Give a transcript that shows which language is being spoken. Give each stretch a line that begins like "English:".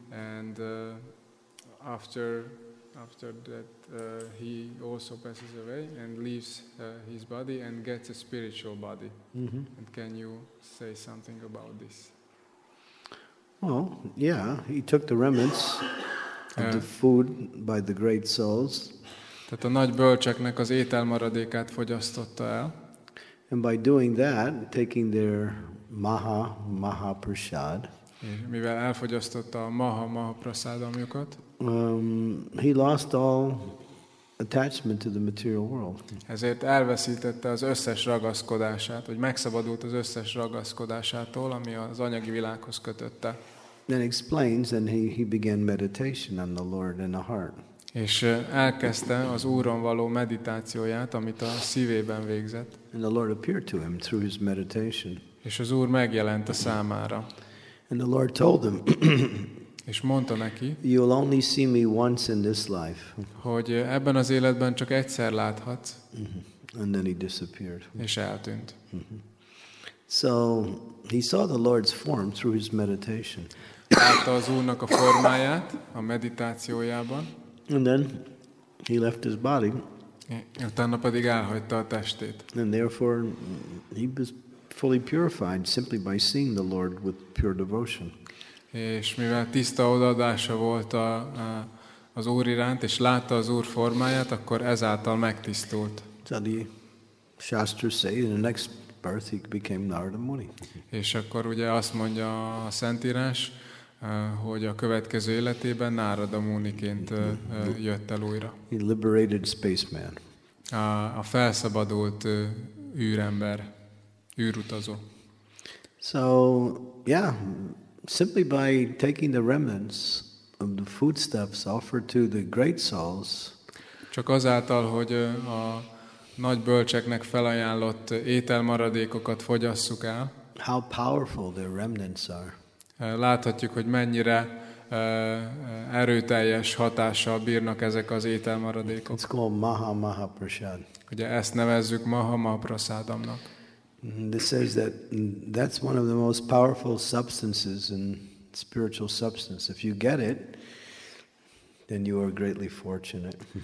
English: and after that he also passes away and leaves his body and gets a spiritual body. Mm-hmm. And can you say something about this? Well, yeah, he took the remnants of the food by the great souls.
Hungarian: Tehát a nagy bölcseknek az ételmaradékát fogyasztotta el.
English: And by doing that, taking their maha prasad.
Hungarian: Mivel elfogyasztotta a maha prasadamjukat,
English: he lost all attachment to the material world.
Hungarian: Ezért elveszítette az összes ragaszkodását, vagy megszabadult az összes ragaszkodásától, ami az anyagi világhoz kötötte.
English: Then explains, and he began meditation on the Lord in the heart.
Hungarian: És elkezdte az Úron való meditációját, amit a szívében végzett.
English: And the Lord appeared to him through his meditation.
Hungarian: És az Úr megjelent a számára.
English: And the Lord told him.
Hungarian: És mondta neki.
English: You'll only see me once in this life.
Hungarian: Hogy ebben az életben csak egyszer láthatsz.
English: Mm-hmm. And then he disappeared.
Hungarian: És eltűnt. Mm-hmm.
English: So he saw the Lord's form through his meditation.
Hungarian: Látta az Úrnak a formáját a meditációjában.
English: And then he left his body.
Hungarian: Utána pedig elhagyta a testét.
English: And therefore he was fully purified simply by seeing the Lord with pure devotion.
Hungarian: És mivel tiszta odaadása volt az Úr iránt, és látta az Úr formáját, akkor ezáltal megtisztult.
English: So the Shastras say in the next birth he became Narada Muni.
Hungarian: És akkor ugye azt mondja a Szentírás, hogy a következő életében Narada Muniként jött el újra.
English: He liberated spaceman.
Hungarian: A felszabadult űrember, űrutazó.
English: So, yeah, simply by taking the remnants of the foodstuffs offered to the great souls.
Hungarian: Csak azáltal, hogy a nagy bölcseknek felajánlott ételmaradékokat fogyasszuk el.
English: How powerful their remnants are.
Hungarian: Láthatjuk, hogy mennyire erőteljes hatással bírnak ezek az ételmaradékok.
English: It's called Mahamahaprasad.
Hungarian: Ugye ezt nevezzük Mahamahaprasadamnak.
English: This says that's one of the most powerful substances in spiritual substance. If you get it, then you are greatly fortunate.